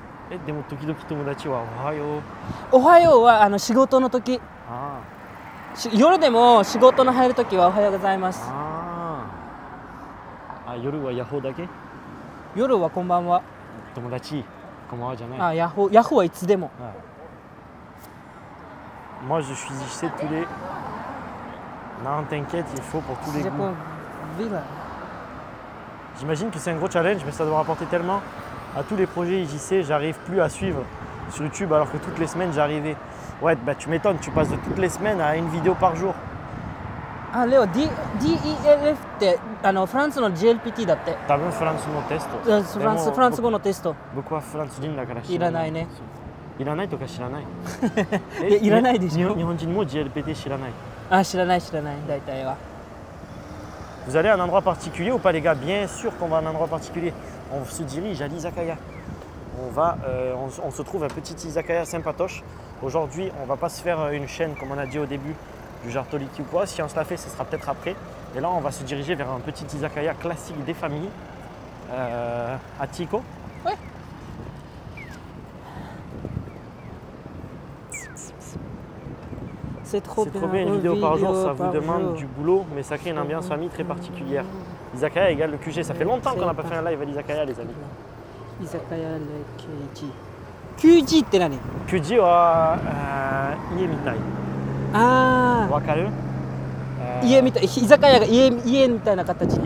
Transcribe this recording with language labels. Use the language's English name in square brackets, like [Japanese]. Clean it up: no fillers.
[Japanese] え、でも時々友達はおはよう。おはようはあの仕事の時。あ、夜でも仕事の入る時はおはようございます。あ、夜はヤッホーだけ。夜はこんばんは。友達こんばんはじゃない。あ、ヤッホー、ヤッホーはいつでも。 [French] はい、moi je suis ici tous les… Non, t'inquiète, il faut pour tous les goûts. J'ai pas envie là. J'imagine que c'est un gros challenge, mais ça doit rapporter tellement. À tous les projets IJC, j'arrive plus à suivre sur YouTube alors que toutes les semaines j'arrivais. Ouais, bah tu m'étonnes, tu passes de toutes les semaines à une vidéo par jour. Ah, Léo, DELF, c'est en France le GLPT. T'as même France le test. France le test. Pourquoi France le test? Il n'y en a pas, non? [Japanese] いらないとか知らない。え、いらないでしょ。日本人も GLPT 知らない。あ、知らない知らない、大体は。 [French] Vous allez à un endroit particulier ou pas les gars? Bien sûr qu'on va à un endroit particulier. On se dirige à l'izakaya. On va, on se trouve un petit izakaya sympatoche. Aujourd'hui, on va pas se faire une chaîne comme on a dit au début du Jartoliki ou quoi. Si on se la fait, ce sera peut-être après. Et là, on va se diriger vers un petit izakaya classique des familles. À Tico. Oui. C'est trop bien. Une vidéo par jour, ça vous demande du boulot, mais ça crée une ambiance famille très particulière. Izakaya égale le QG. Ça fait longtemps qu'on n'a pas fait un live à l'Izakaya, les amis. [Japanese] Izakaya le Kyuji. Kyuji って何? Kyuji は家みたい。ああ。わかる? 家みたい。居酒屋が家みたいな形ってこと?